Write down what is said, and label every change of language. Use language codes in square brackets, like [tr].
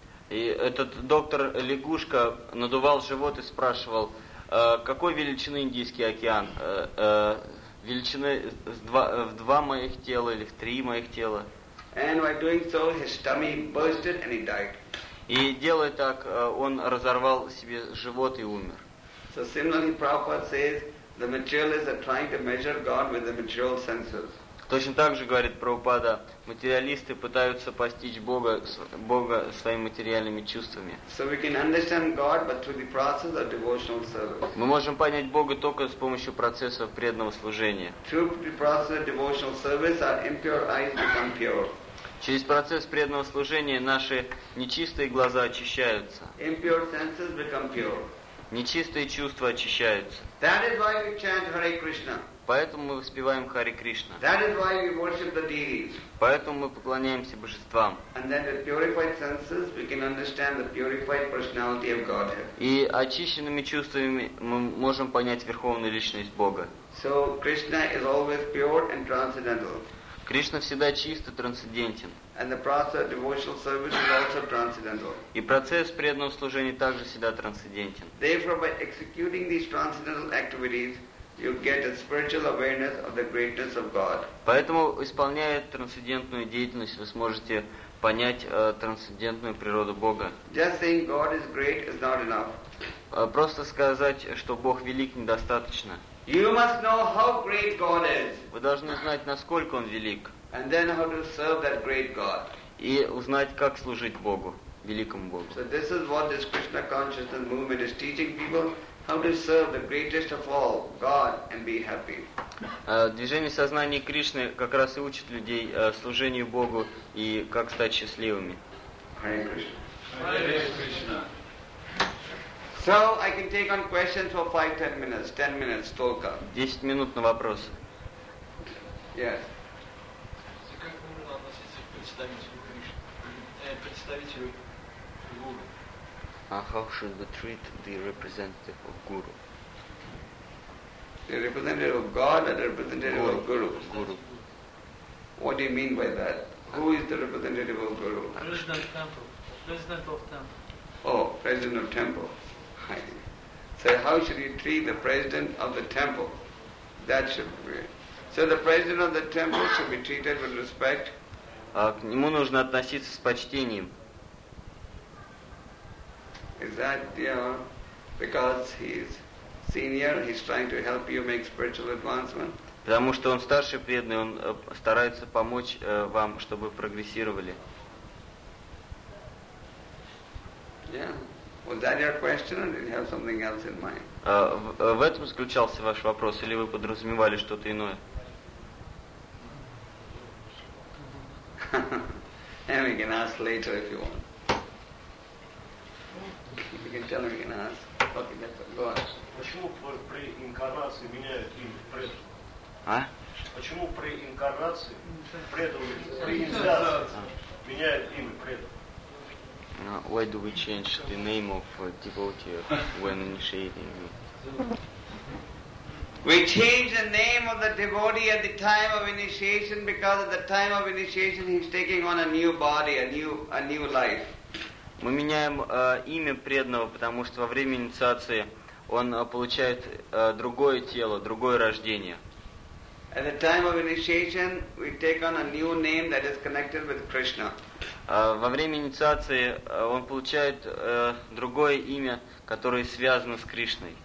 [ru] И этот доктор лягушка надувал живот и спрашивал: какой величины Индийский океан? Величины в два моих тела или в три моих тела? [en] And while doing so, his tummy bursted and he died. [ru] И делая так, он разорвал себе живот и умер. [en] So similarly, Prabhupada says, the materialists are trying to measure God with the material senses. [ru] Точно так же, говорит Прабхупада, материалисты пытаются постичь Бога, Бога своими материальными чувствами. [en] So we can understand God, but through the process of devotional service. [ru] Мы можем понять Бога только с помощью процесса преданного служения. [en] Through the process of devotional service, our impure eyes become pure. [ru] Через процесс преданного служения наши нечистые глаза очищаются. [en] Impure senses become pure. [ru] Нечистые чувства очищаются. [en] That is why we chant Hare Krishna. [ru] Поэтому мы воспеваем Хари Кришна. [en] That is why we worship the deities. [ru] Поэтому мы поклоняемся божествам. [en] And then with purified senses we can understand the purified personality of Godhead. [ru] И очищенными чувствами мы можем понять верховную личность Бога. [en] So Krishna is always pure and transcendental. [ru] Кришна всегда чист и трансцендентен. [en] And the process of devotional service is also transcendental. [ru] И процесс преданного служения также всегда трансцендентен. [en] Therefore, by executing these transcendental activities, you get a spiritual awareness of the greatness of God. [ru] Поэтому, исполняя трансцендентную деятельность, вы сможете понять трансцендентную природу Бога. [en] Just saying God is great is not enough. [ru] Просто сказать, что Бог велик, недостаточно. [en] You must know how great God is. [ru] Вы должны знать, насколько Он велик. [en] And then how to serve that great God. [ru] И узнать, как служить Богу, великому Богу. [en] So this is what this Krishna consciousness movement is teaching people, how to serve the greatest of all, God, and be happy. [ru] Движение сознания Кришны как раз и учит людей служению Богу и как стать счастливыми. [en] Hare Krishna. So I can take on questions for 5-10 minutes. 10 minutes, [ru] только. 10 минут на вопрос. [en] Yes. [ru] Как можно относиться к представителю Кришны? Представителю Гуру. [en] How should we treat the representative of Guru? The representative of God or the representative of Guru? Guru. What do you mean by that? Who is the representative of Guru? President of temple. President of temple. Oh, president of temple. So how should you treat the president of the temple? That should be. So the president of the temple should be treated with respect. [ru] К нему нужно относиться с почтением. [en] Is that, you know, because he's senior, he's trying to help you make spiritual advancement? [ru] Потому что он старший преданный, он старается помочь вам, чтобы прогрессировали. [en] Yeah. Was that your question, or did you have something else in mind? [ru] В этом заключался ваш вопрос, или вы подразумевали что-то иное? [en] And we can ask later if you want. You can tell him, you can ask. Okay, go on. [ru] Почему при инкарнации меняют имя преданного? А? Почему при инкарнации преданного, при инициации меняют имя преданного? [en] Why do we change the name of a devotee when initiating? We change the name of the devotee at the time of initiation because at the time of initiation he's taking on a new body, a new life. [ru] Мы меняем имя преданного, потому что во время инициации он получает другое тело, другое рождение. [en] At the time of initiation, we take on a new name that is connected with Krishna. [ru] Во время инициации он получает другое имя, которое связано с Кришной.